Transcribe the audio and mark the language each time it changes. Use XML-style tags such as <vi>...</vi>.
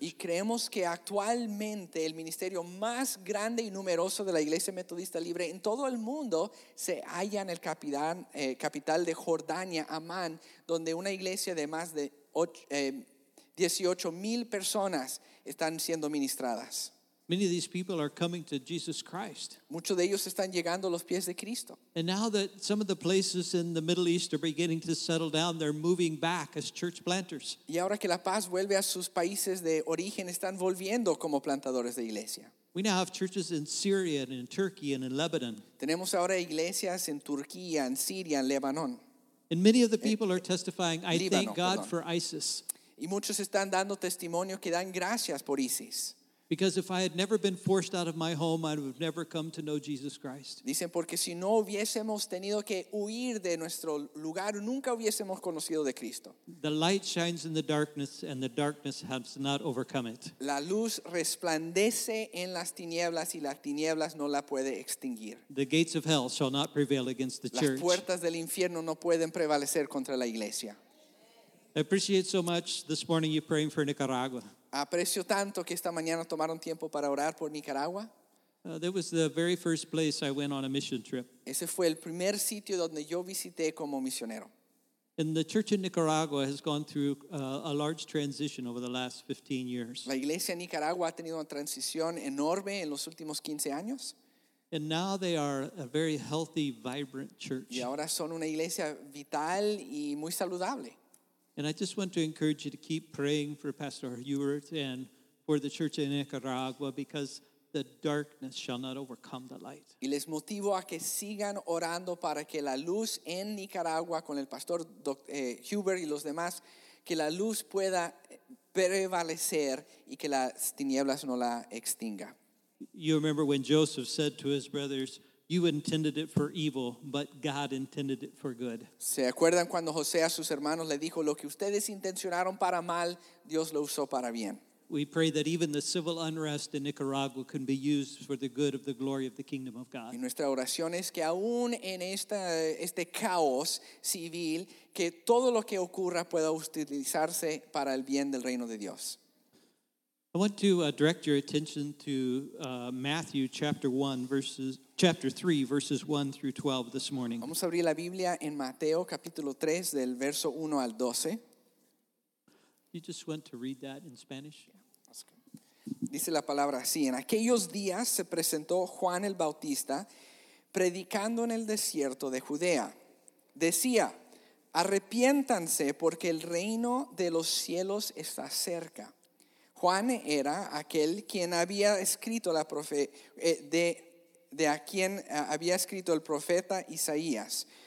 <es>Y creemos que actualmente el ministerio más grande y numeroso de la Iglesia Metodista Libre en todo el mundo se halla en el capital de Jordania, Amman, donde una iglesia de más de 18,000 personas están siendo ministradas.</es> <en>Many of these people are coming to Jesus Christ.</en> <es>Muchos de ellos están llegando a los pies de Cristo.</es> <en>And now that some of the places in the Middle East are beginning to settle down, they're moving back as church planters.</en> <es>Y ahora que la paz vuelve a sus países de origen, están volviendo como plantadores de iglesia.</es> <en>We now have churches in Syria and in Turkey and in Lebanon.</en> <es>Tenemos ahora iglesias en Turquía, en Siria, en Lebanon.</es> <en>And many of the people are testifying, I</en> <es>Líbano,</es> <en>thank God</en> <es>perdón.</es> <en>For ISIS.</en> <es>Y muchos están dando testimonio que dan gracias por ISIS.</es> <en>Because if I had never been forced out of my home, I would have never come to know Jesus Christ.</en> <es>Dicen porque si no hubiésemos tenido que huir de nuestro lugar, nunca hubiésemos conocido de Cristo.</es> <en>The light shines in the darkness, and the darkness has not overcome it.</en> <es>La luz resplandece en las tinieblas, y las tinieblas no la puede extinguir.</es> <en>The gates of hell shall not prevail against the church.</en> <es>Las puertas del infierno no pueden prevalecer contra la iglesia.</es> <en>I appreciate so much this morning you praying for Nicaragua.</en> <es>Aprecio tanto que esta mañana tomaron tiempo para orar por Nicaragua.</es> <en>That was the very first place I went on a mission trip.</en> <es>Ese fue el primer sitio donde yo visité como misionero.</es> <en>And the church in Nicaragua has gone through a large transition over the last 15 years.</en> <es>La iglesia en Nicaragua ha tenido una transición enorme en los últimos 15 años.</es> <en>And now they are a very healthy, vibrant church.</en> <es>Y ahora son una iglesia vital y muy saludable.</es> <en>And I just want to encourage you to keep praying for Pastor Hubert and for the church in Nicaragua, because the darkness shall not overcome the light.</en> <es>Y les motivo a que sigan orando para que la luz en Nicaragua con el pastor Hubert y los demás, que la luz pueda prevalecer y que las tinieblas no la extinga.</es> <en>You remember when Joseph said to his brothers, "You intended it for evil, but God intended it for good."</en> <es>¿Se acuerdan cuando José a sus hermanos le dijo, "Lo que ustedes intencionaron para mal, Dios lo usó para bien"?</es> <en>We pray that even the civil unrest in Nicaragua can be used for the good of the glory of the kingdom of God.</en> <es>Y nuestra oración es que aún en este caos civil, que todo lo que ocurra pueda utilizarse para el bien del reino de Dios.</es> <en>I want to direct your attention to Matthew chapter 1 verses chapter 3 verses 1 through 12 this morning.</en> <es>Vamos a abrir la Biblia en Mateo capítulo 3 del verso 1 al 12.</es> <en>You just want to read that in Spanish? Yeah, that's good.</en> <es>Dice la palabra así: En aquellos días se presentó Juan el Bautista predicando en el desierto de Judea. Decía: Arrepiéntanse porque el reino de los cielos está cerca. Juan era aquel quien había escrito el profeta Isaías.</es>